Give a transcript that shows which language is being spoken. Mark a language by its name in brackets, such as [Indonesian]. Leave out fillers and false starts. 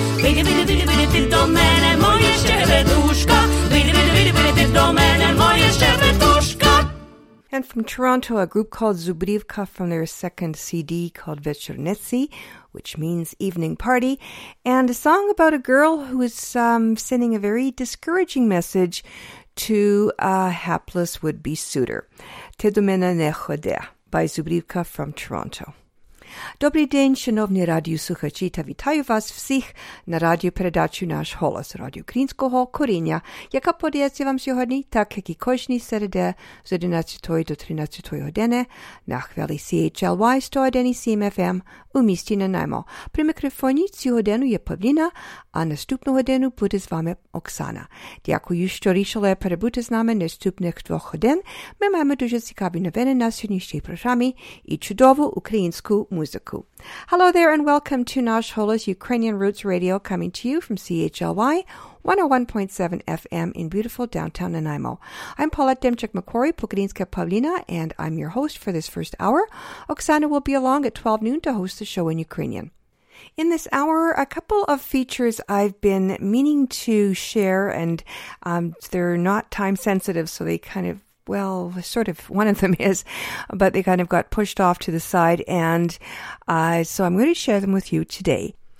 [Ukrainian] Види, ти до мене, моя щебетушка. Види, ти до мене, моя щебетушка. [English] And from Toronto, a group called Zubrivka from their second CD called Večernici, which means evening party, and a song about a girl who is sending a very discouraging message to a hapless would-be suitor. Te do mene ne chode, by Zubrivka from Toronto. [Ukrainian] Добрий день, шановні радіослухачі, та вітаю вас всіх на радіопередачі «Наш голос» радіо українського коріння, яка подається вам сьогодні, так як і кожні середи з 11 до 13 години на хвилі CHLY 101 CMFM у місті Нанаймо. При мікрофоні цього дену є Павліна, а наступного дену буде з вами Оксана. Дякую, що рішили перебути з нами наступних двох годин. Ми маємо дуже цікаві новини на сьогоднішній програмі і чудову українську музику. [English] Hello there and welcome to Nash Holos Ukrainian Roots Radio, coming to you from CHLY 101.7 FM in beautiful downtown Nanaimo. I'm Paulette Demchuk-Macquarie, Pukadinska Pavlina, and I'm your host for this first hour. Oksana will be along at 12 noon to host the show in Ukrainian. In this hour, a couple of features I've been meaning to share, and they're not time sensitive, so they kind of, well, sort of, one of them is, but they kind of got pushed off to the side, and so I'm going to share them with you today.